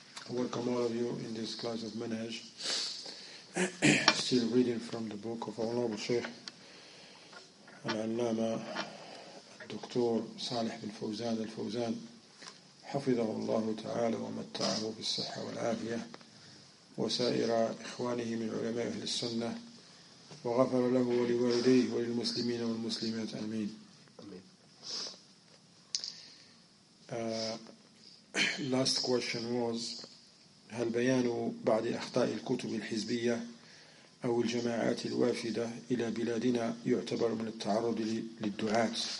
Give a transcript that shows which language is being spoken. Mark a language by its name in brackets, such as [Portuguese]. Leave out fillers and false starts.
[English] Welcome all of you in this class of Manhaj. Still reading from the book of Honorable Sheikh Al-Allama Dr. [Arabic] Salih bin Fawzan Al-Fawzan حفظه الله تعالى ومتعه بالصحة والعافية وسائر إخوانه من علماء أهل السنة وغفر له ولوالديه وللمسلمين والمسلمات آمين. [English] Last question was [Arabic] هل بيان بعض أخطاء الكتب الحزبية أو الجماعات الوافدة إلى بلادنا يعتبر من التعرض للدعاة؟